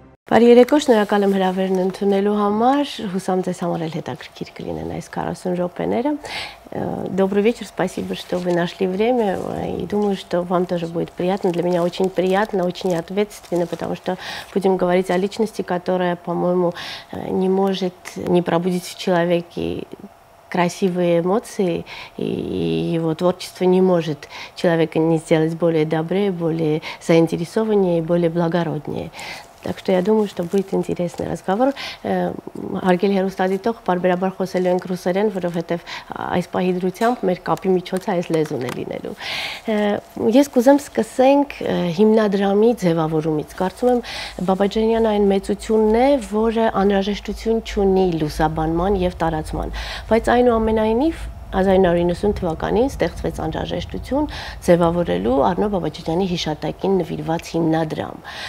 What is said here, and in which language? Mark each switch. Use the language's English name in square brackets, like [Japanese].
[Armenian] Բարի երեկո, շնորհակալ եմ հրավերն ընդունելու համար, հուսամ ձեզ համար էլ հետաքրքիր կլինեն այս 40 րոպեները։ [Russian] Добрый вечер, спасибо, что вы нашли время, и думаю, что вам тоже будет приятно. Для меня очень приятно, очень ответственно, потому что будем говорить о личности, которая, по-моему, не может не пробудить в человеке красивые эмоции, и его творчество не может человека не сделать более добрее, более заинтересованнее, более благороднее. Так что я думаю, что будет интересный разговор. [Armenian] Հարգելի հեռուստադիտող, պարբերաբար խոսելու ենք ռուսերեն, որովհետև այս պահի դրությամբ մեր կապի միջոցը այս լեզուն է լինելու։ Ես կուզեմ սկսենք հիմնադրամի ձևավորումից։ Կարծում եմ, Բաբաջանյանը այն մեծությունն է, որը անհրաժեշտություն չունի լուսաբանման և տարածման, բայց այնուամենայնիվ 1990 թվականին ստեղծվեց անհրաժեշտություն ձևավորելու Առնո Բաբաջանյանի հիշատակին նվիրված հիմնադրամ։